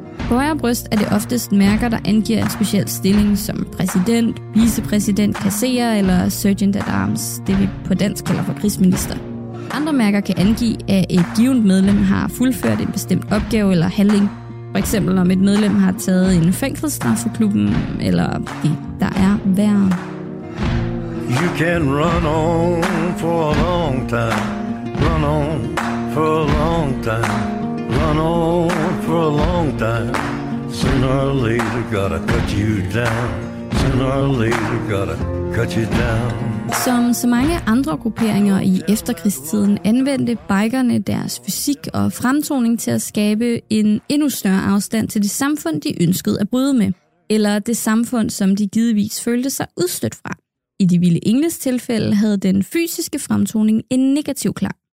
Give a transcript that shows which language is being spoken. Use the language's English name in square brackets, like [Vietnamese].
[Danish] På højre bryst er det oftest mærker, der angiver en speciel stilling som præsident, vicepræsident, kasserer eller sergeant at arms, det vi på dansk kalder for krigsminister. Andre mærker kan angive, at et givent medlem har fuldført en bestemt opgave eller handling. For eksempel om et medlem har taget en fængselsstraf for klubben, eller det, der er værre. [English] You can run on for a long time, run on for a long time, run on for a long time. Sooner or later gotta cut you down, sooner or later gotta cut you down. [Danish] Som så mange andre grupperinger i efterkrigstiden anvendte bikerne deres fysik og fremtoning til at skabe en endnu større afstand til det samfund, de ønskede at bryde med, eller det samfund, som de givetvis følte sig udstødt fra. I De Vilde Engles tilfælde havde den fysiske fremtoning en negativ klang.